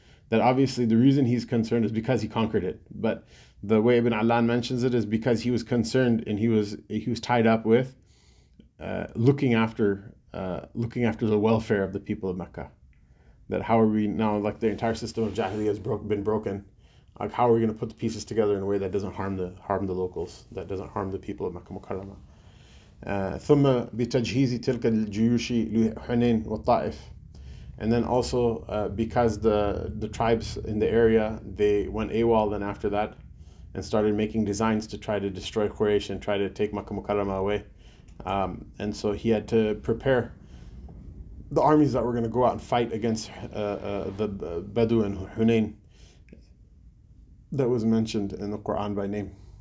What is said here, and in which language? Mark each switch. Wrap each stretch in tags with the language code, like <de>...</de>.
<en>That obviously the reason he's concerned is because he conquered it. But the way Ibn Allan mentions it is because he was concerned and he was tied up with looking after the welfare of the people of Mecca. That how are we now, like the entire system of Jahiliyyah has been broken. Like, how are we going to put the pieces together in a way that doesn't harm the locals, that doesn't harm the people of Makkah Mukarramah?</en> <ar>ثم بتجهيز تلك الجيوش لحنين والطائف.</ar> <en>And then also because the tribes in the area, they went AWOL then after that and started making designs to try to destroy Quraysh and try to take Makkah Mukarramah away. And so he had to prepare the armies that were going to go out and fight against the Badu and Hunain that was mentioned in the Quran by name.</en>